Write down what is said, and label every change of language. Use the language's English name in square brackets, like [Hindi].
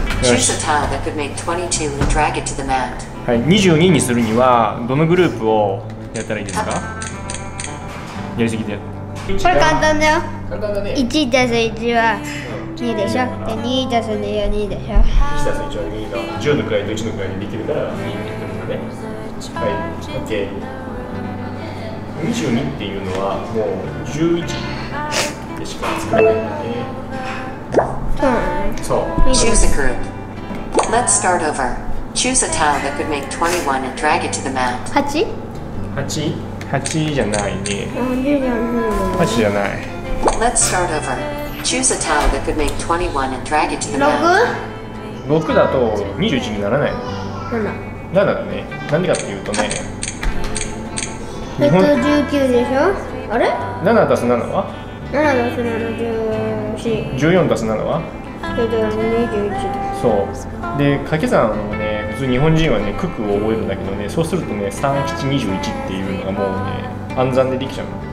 [English] Choose a tile that could make 22 and drag it to the mat. [Japanese] はい、22にするにはどのグループをやったらいいですか？やりすぎて。これ簡単だよ。簡単だね。1たす 1は2でしょ。で、2たす2は2でしょ。 1たす1は2だ。10の位と1の位にできるから2ってことだね。はい、OK。 22っていうのはもう11でしか作れないからね。うん。そう。 [English] Choose a group. Let's start over. Choose a tile that could make 21 and drag it to the mat. [Japanese] 8? 8じゃないね。 8 じゃない。 [English] Let's start over. Choose a tile that could make 21 and drag it to the mat. [Japanese] 6だと21にならない。 7 だね。なんでかっていうとね。 119でしょ？あれ？7足す7は？ 7足す7、14。 14足す7は？ 21。そう。で、掛け算をね、普通日本人はね、九九を覚えるんだけどね、そうするとね、3721っていうのがもうね、暗算でできちゃうの。